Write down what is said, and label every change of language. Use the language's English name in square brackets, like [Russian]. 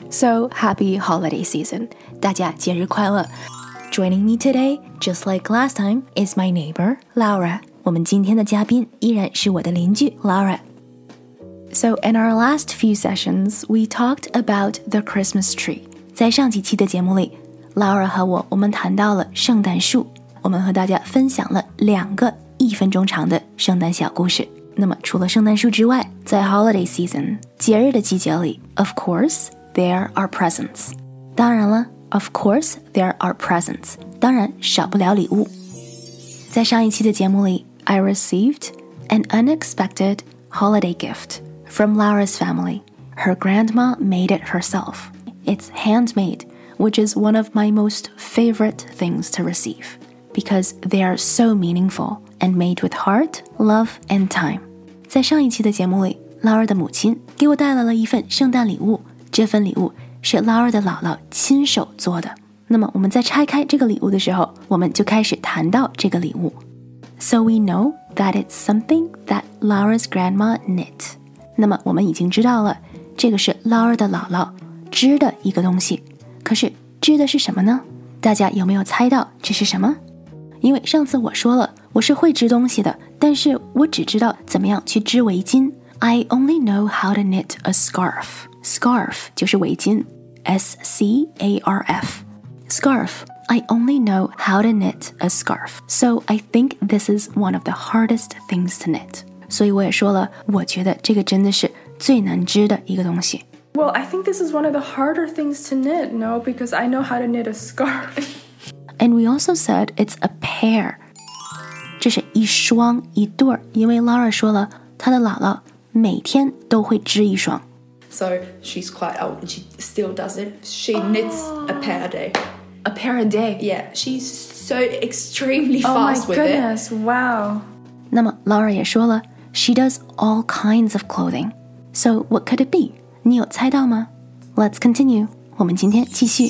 [English] So, happy holiday season. [Chinese] 大家节日快乐。 [English] Joining me today, just like last time, is my neighbor, Laura. [Chinese] 我们今天的嘉宾依然是我的邻居 Laura. [English] So in our last few sessions, we talked about the Christmas tree. [Chinese] 在上几期的节目里， Laura 和我们谈到了圣诞树。我们和大家分享了两个一分钟长的圣诞小故事。那么除了圣诞树之外，在 holiday season, 节日的季节里， [English] of course, there are presents. [Chinese] 当然了， [English] of course, there are presents. [Chinese] 当然少不了礼物。在上一期的节目里， [English] I received an unexpected holiday gift. From Laura's family. Her grandma made it herself. It's handmade, which is one of my most favorite things to receive, because they are so meaningful and made with heart, love, and time. [Chinese] 在上一期的节目里， Laura 的母亲给我带来了一份圣诞礼物，这份礼物是 Laura 的姥姥亲手做的。那么我们在拆开这个礼物的时候，我们就开始谈到这个礼物。 [English] So we know that it's something that Laura's grandma knit. [Chinese] 那么我们已经知道了，这个是 Laura 的姥姥织的一个东西。可是织的是什么呢？大家有没有猜到这是什么？因为上次我说了，我是会织东西的，但是我只知道怎么样去织围巾。 [English] I only know how to knit a scarf. Scarf [Chinese] 就是围巾 [English] ，S-C-A-R-F. Scarf. I only know how to knit a scarf. So I think this is one of the hardest things to knit. [Chinese] 所以我也说了，我觉得这个真的是最难织的一个东西。 [English] Well, I think this is one of the harder things to knit, no? Because I know how to knit a scarf. And we also said it's a pair. 这是一双一对，因为 Laura 说了她的姥姥每天都会织一双。 So she's quite old and she still does it. She knits a pair a day. A pair a day? Yeah, she's so extremely fast with it. Oh my goodness, wow. [Chinese] 那么 Laura 也说了 [English] ，She does all kinds of clothing. So what could it be? [Chinese] 你有猜到吗 [English] ？Let's continue. [Chinese] 我们今天继续。